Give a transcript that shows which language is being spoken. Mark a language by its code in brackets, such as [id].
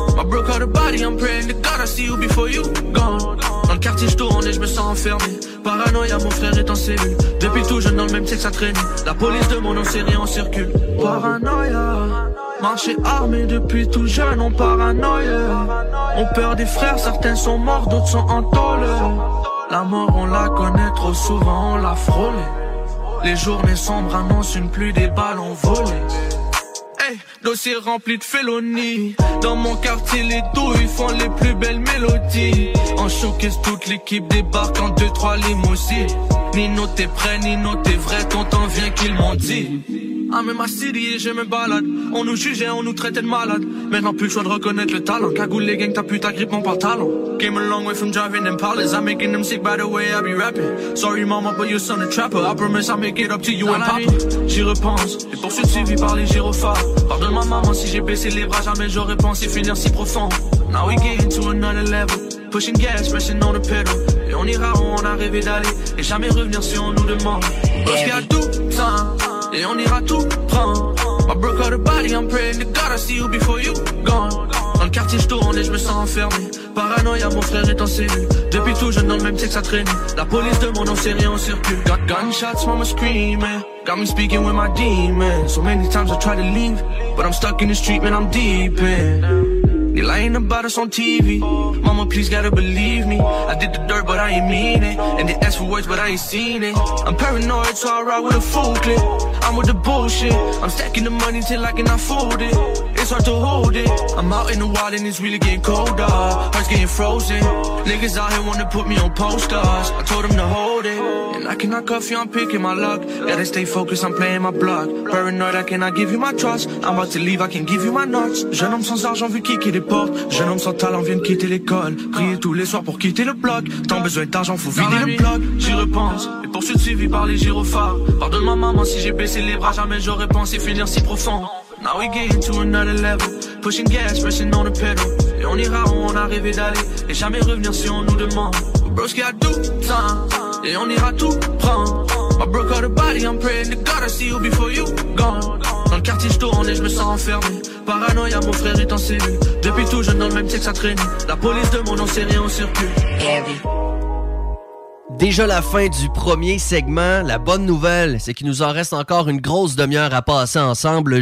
[en] My bro call the body, I'm praying to God I see you before you gone. [fr] Dans le quartier je tourne et je me sens enfermé. Paranoïa, mon frère est en cellule. Depuis tout jeune dans le même texte ça traîne. La police de mon série en circule. Paranoïa. Marché armé depuis tout jeune, on paranoïa. On perd des frères, certains sont morts, d'autres sont en tôle. La mort on la connaît trop souvent, on l'a frôlé. Les journées sombres annoncent une pluie des ballons volés. Dossier rempli de félonies. Dans mon quartier, les douilles font les plus belles mélodies. En showcase, toute l'équipe débarque en 2-3 limousines. Nino, t'es prêt, Nino, t'es vrai, t'entends, viens qu'ils m'ont dit. Ah, mais ma city, je me balade. On nous jugeait, on nous traitait de malade. Maintenant, plus le choix de reconnaître le talent. Cagoule les gangs, ta pute, agrippe mon pantalon. [en] Came a long way from driving them palaces. I'm making them sick, by the way, I be rapping. Sorry, mama, but you son a trapper. I promise, I make it up to you and papa. [fr] J'y repense, les poursuites suivies par les gyrophares. Pardonne ma maman si j'ai baissé les bras. Jamais j'aurais pensé finir si profond. [en] Now we get into another level. Pushing gas, pressing on the pedal. [fr] Et on ira où on a rêvé d'aller. Et jamais revenir si on nous demande. Parce qu'il y a tout temps. Et on ira tout prendre. [en] My bro got the body, I'm praying to God I see you before you gone. [fr] Dans le quartier je tourne et je me sens enfermé. Paranoïa, mon frère est en cellule. Depuis tout jeune dans le même texte ça traîne. La police de mon nom c'est rien en circule. [en] Got gunshots, mama screaming. Got me speaking with my demons. So many times I try to leave. But I'm stuck in the street, man, I'm deep in. They lying about us on TV. Mama, please gotta believe me. I did the dirt, but I ain't mean it. And they asked for words, but I ain't seen it. I'm paranoid, so I ride with a full clip. I'm with the bullshit. I'm stacking the money till I can afford it. It's hard to hold it. I'm out in the wild and it's really getting colder. Heart's getting frozen. Niggas out here wanna put me on posters. I told them to hold it. And I cannot cuff you, I'm picking my luck. Gotta stay focused, I'm playing my block. Paranoid, I cannot give you my trust. I'm about to leave, I can give you my nuts. [fr] Jeune homme sans argent, vu kicker des portes. Jeune homme sans talent, vient de quitter l'école. Prier tous les soirs pour quitter le bloc. Tant besoin d'argent, faut vider le bloc. J'y repense, les poursuites suivies par les gyrophares. Pardonne ma maman si j'ai baissé les bras. Jamais j'aurais pensé finir si profond. [en] Now we get into another level. Pushing gas, pressing on the pedal. [fr] Et on ira où on a rêvé d'aller. Et jamais revenir si on nous demande. Bro, ce qu'il y a tout temps. Et on ira tout prendre. [en] My bro got a body, I'm praying to God I see you before you gone. [fr] Dans le quartier je tourne et je me sens enfermé. Paranoïa, mon frère est en cellule. Depuis tout jeune dans le même texte ça traîne. La police de mon nom c'est rien au circuit. Déjà la fin du premier segment. La bonne nouvelle, c'est qu'il nous en reste encore une grosse demi-heure à passer ensemble.